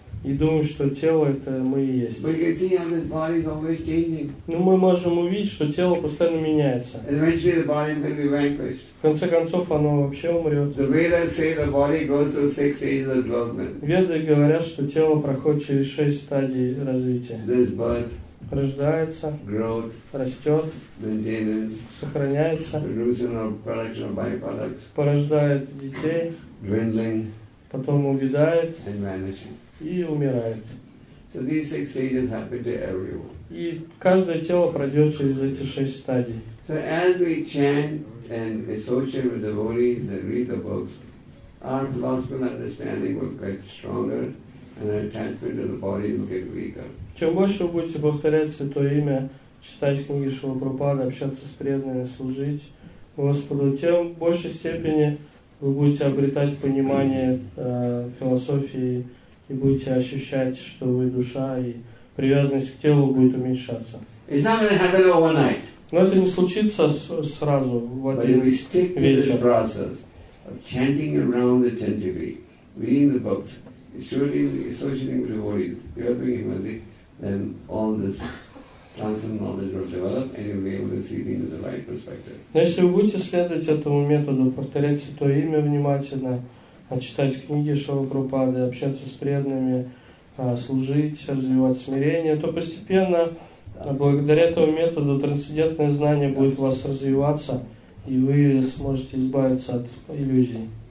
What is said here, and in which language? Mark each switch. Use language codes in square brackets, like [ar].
[ru] И думаю, что тело — это мы и есть. [en] But you can see how this body is always changing. [ru] Ну, мы можем увидеть, что тело постоянно меняется. [en] Eventually the body is going to be vanquished. [ru] В конце концов, оно вообще умрет. [en] The Vedas say the body goes through 6 stages of development. [ru] Веды говорят, что тело проходит через 6 стадий развития. [en] There's birth. [ru] Рождается. [en] Growth. [ru] Растет. [en] Maintenance. [ru] Сохраняется. [en] Production of production of byproducts. [ru] Порождает детей. [en] Dwindling. [ru] Потом увядает. [en] And vanishing. [ru] И умирает. [en] So these 6 stages happen to everyone. [ru] И каждое тело пройдет через эти 6 стадий. [en] So as we chant and associate with devotees and read the books, our philosophical understanding will get stronger, and our attachment to the body will get weaker. [ru] Чем больше вы будете повторять Святое Имя, читать книги Шрилы Прабхупады, общаться с преданными, служить Господу, тем в большей степени вы будете обретать понимание философии. И будете ощущать, что вы душа, и привязанность к телу будет уменьшаться. [en] It's not going to happen overnight. [ru] Но это не случится сразу в один вечер. [en] Of chanting around the tantri, reading the books, associating with devotees, developing mandi, then all this transcendental knowledge will develop, and you'll be able to see things in the right perspective. [ru] Но если вы будете следовать этому методу, повторять Святое Имя внимательно, а читать книги Шрилы Прабхупады, общаться с преданными, служить, развивать смирение, то постепенно, благодаря этому методу, трансцендентное знание будет у вас развиваться, и вы сможете избавиться от иллюзий.